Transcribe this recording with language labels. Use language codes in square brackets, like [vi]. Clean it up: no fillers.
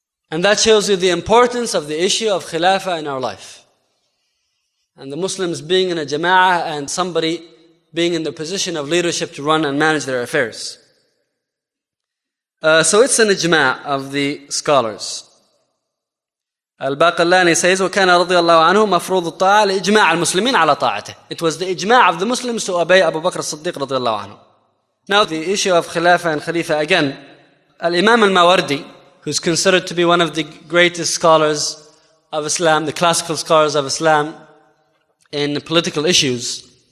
[en] And that shows you the importance of the issue of Khilafah in our life. And the Muslims being in a jama'ah and somebody being in the position of leadership to run and manage their affairs. So it's an ijma' of the scholars. Al-Baqillani says, [ar] وَكَانَ رَضِيَ اللَّهُ عَنْهُ مَفْرُوضُ الطَّاعَ لِإِجْمَاعَ الْمُسْلِمِينَ عَلَى طَاعَتِهِ. [en] It was the ijma' of the Muslims to obey Abu Bakr as-Siddiq رَضِيَ اللَّهُ عَنْهُ. Now the issue of Khilafah and Khalifa again. Al-Imam al-Mawardi, who's considered to be one of the greatest scholars of Islam, the classical scholars of Islam in political issues,